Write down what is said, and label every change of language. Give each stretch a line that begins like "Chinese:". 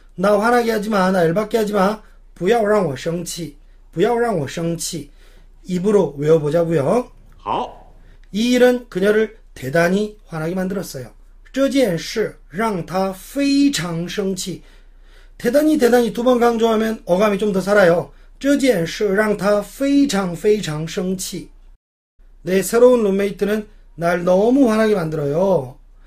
Korean: 나 화나게 하지 마. 나 열받게 하지 마.
Chinese: 不要让我生气. 不要让我生气.
Korean: 입으로 외워보자고요.
Chinese: 好.
Korean: 이 일은 그녀를 대단히 화나게 만들었어요.
Chinese: 这件事让她非常生气.
Korean: 대단히 대단히 두번 강조하면 어감이 좀더 살아요.
Chinese: 这件事让她非常非常生气.
Korean: 내 새로운 룸메이트는 날 너무 화나게 만들어요.